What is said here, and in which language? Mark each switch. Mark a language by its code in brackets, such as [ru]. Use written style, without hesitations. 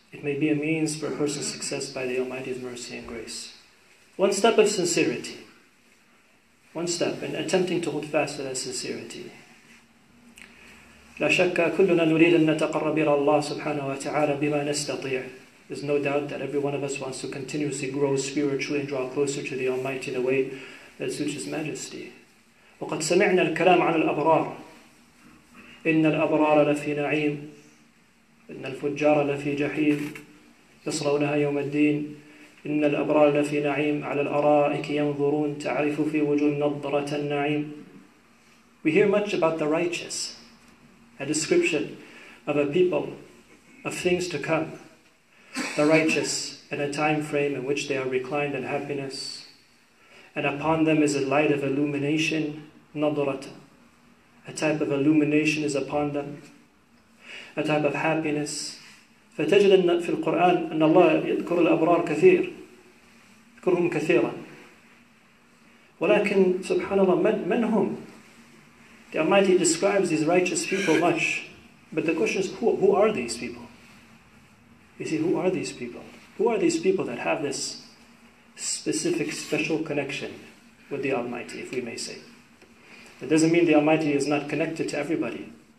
[en] It may be a means for a person's success by the Almighty's mercy and grace. One step of sincerity. One step in attempting to hold fast to that sincerity. [ar] لا شك كلنا نريد أن نتقرب إلى الله سبحانه وتعالى بما نستطيع. [en] There's no doubt that every one of us wants to continuously grow spiritually and draw closer to the Almighty in a way that suits His Majesty. [ar] وقد سمعنا الكلام عن الأبرار. إن الأبرار لفي نعيم، إن الفجار لفي جحيم، يصلونها يوم الدين. إن الأبرار لفي نعيم على الأرائك ينظرون، تعرف في وجوه نظرة النعيم. [en] We hear much about the righteous, a description of a people, of things to come. The righteous in a time frame in which they are reclined in happiness, and upon them is a light of illumination, نظرة. A type of illumination is upon them, a type of happiness. [ar] فتجد أن في القرآن أن الله يذكر الأبرار كثير، يذكرهم كثيرا. ولكن سبحان الله من هم؟ [en] The Almighty describes these righteous people much, but the question is who are these people? You see, who are these people? Who are these people that have this specific, special connection with the Almighty, if we may say? It doesn't mean the Almighty is not connected to everybody.